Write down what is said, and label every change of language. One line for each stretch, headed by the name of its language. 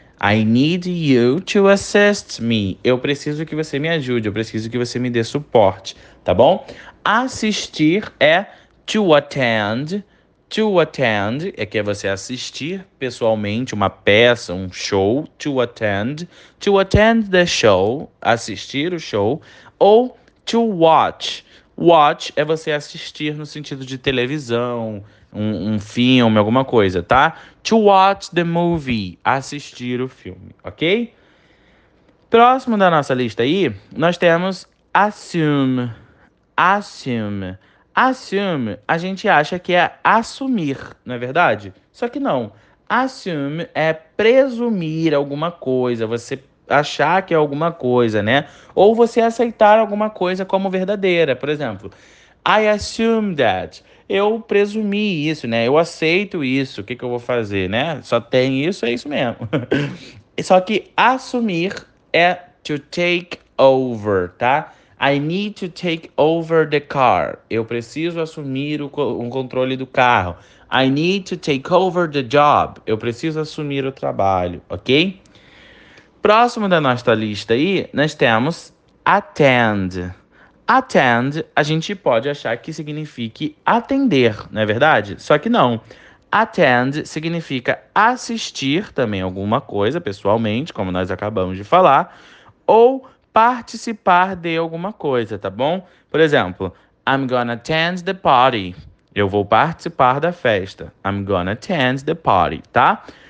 English: I need you to assist me.
Portuguese: Eu preciso que você me ajude, eu preciso que você me dê suporte, tá bom? Assistir é to attend. To attend é que é você assistir pessoalmente uma peça, um show.
English: To attend the show,
Portuguese: assistir o show.
English: Ou to watch.
Portuguese: Watch é você assistir no sentido de televisão, um filme, alguma coisa, tá?
English: To watch the movie,
Portuguese: assistir o filme, ok? Próximo da nossa lista aí, nós temos assume. Assume. Assume, a gente acha que é assumir, não é verdade? Só que não. Assume é presumir alguma coisa, você achar que é alguma coisa, né? Ou você aceitar alguma coisa como verdadeira. Por exemplo,
English: I assume that.
Portuguese: Eu presumi isso, né? Eu aceito isso. O que que eu vou fazer, né? Só tem isso, é isso mesmo. Só que assumir é to take over, tá?
English: I need to take over the car.
Portuguese: Eu preciso assumir o controle do carro.
English: I need to take over the job.
Portuguese: Eu preciso assumir o trabalho, ok? Próximo da nossa lista aí, nós temos attend. Attend, a gente pode achar que signifique atender, não é verdade? Só que não. Attend significa assistir também alguma coisa pessoalmente, como nós acabamos de falar, ou participar de alguma coisa, tá bom? Por exemplo,
English: I'm gonna attend the party.
Portuguese: Eu vou participar da festa.
English: I'm gonna attend the party, tá?